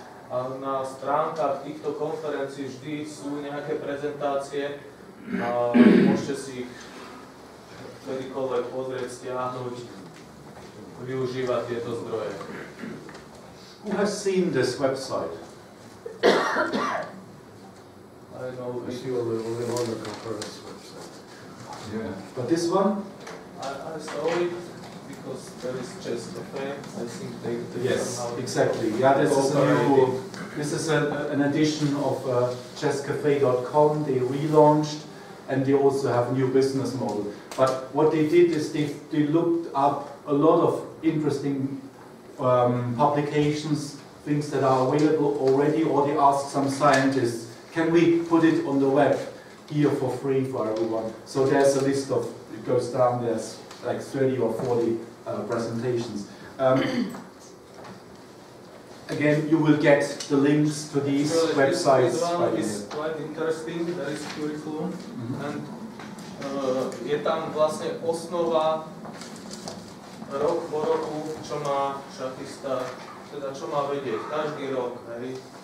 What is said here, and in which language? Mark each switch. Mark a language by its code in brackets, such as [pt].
[sk] A na stránkach týchto konferencií vždy sú nejaké prezentácie a môžete si ich kedykoľvek pozrieť, stiahnuť, využívať tieto zdroje. [en] Who has seen this website? I don't know. I see all the only one the conference website. Yeah. But this one? I saw it because there is chess cafe. I think they do. Yes, exactly. Yeah, this is a new. This is an addition of chesscafe.com. They relaunched, and they also have new business model. But what they did is they looked up a lot of interesting publications, things that are available already, or they ask some scientists, can we put it on the web here for free for everyone? So there's a list of, it goes down, there's like 30 or 40 presentations. again, you will get the links to these actually, websites. This one is quite interesting, there is curriculum. Mm-hmm. [sk] And je tam vlastne osnova rok po roku, čo má šachista, teda čo má vedieť každý rok, hej.